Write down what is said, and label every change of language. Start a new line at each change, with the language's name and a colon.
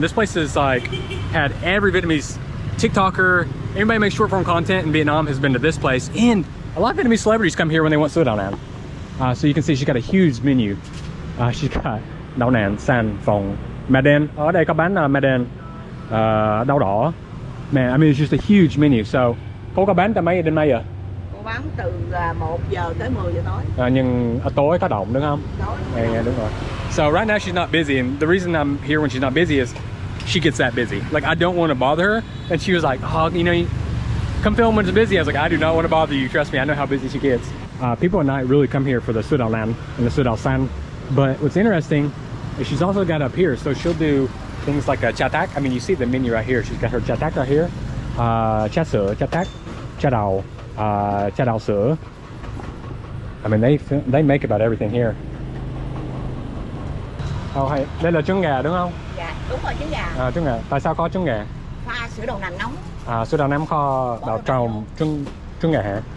English: This place is like, had every Vietnamese TikToker, anybody makes short form content in Vietnam has been to this place. And a lot of Vietnamese celebrities come here when they want Sữa Đậu Nành. So you can see she's got a huge menu. She's got Đậu Nành, San Phong, Maden.
Vietnamese: Ở đây có bán Maden, đậu đỏ.
English: Man, I mean, it's just a huge menu.
Vietnamese: So, cô có bán từ mấy giờ đến mấy giờ? Cô bán từ 1 giờ tới 10 giờ tối. Nhưng tối có động đúng không? Tối. Yeah, đúng rồi.
English: So right now she's not busy, and the reason I'm here when she's not busy is she gets that busy. Like, I don't want to bother her. And she was like, oh, you know, come film when it's busy. I was like, I do not want to bother you. Trust me, I know how busy she gets. People at night really come here for the Sữa Đậu Nành and the Sữa Đậu Xanh. But what's interesting is she's also got up here. So she'll do things like a Trà Tắc. I mean, you see the menu right here. She's got her Trà Tắc right here.
Vietnamese: Trà sữa, Trà Tắc, Trà Đậu, Trà Đậu sữa.
English: I mean, they make about everything here.
Vietnamese: Oh, hey, đây là trứng gà đúng không? Đúng rồi, trứng gà. À, trứng gà. Tại sao có trứng gà? Pha sữa đậu nành nóng. À, sữa đậu nành kho đậu trồng trứng trứng gà hả?